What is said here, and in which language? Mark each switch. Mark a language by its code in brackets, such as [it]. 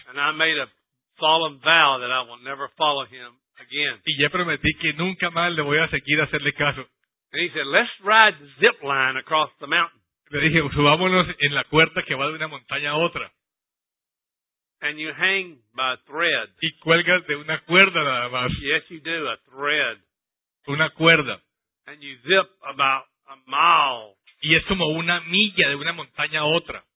[en] And I made a solemn vow that I will never follow him again. [es] Y yo prometí que nunca más le voy a seguir a hacerle caso. [en] And he said, "Let's ride the zip line across the mountain." [es] Le dije, subámonos en la cuerda que va de una montaña a otra. [en] And you hang by a thread. [es] Y cuelgas de una cuerda nada más. [en] Yes, you do, a thread. [es] Una cuerda. [en] And you zip about a mile. [es] Y es como una milla de una montaña a otra.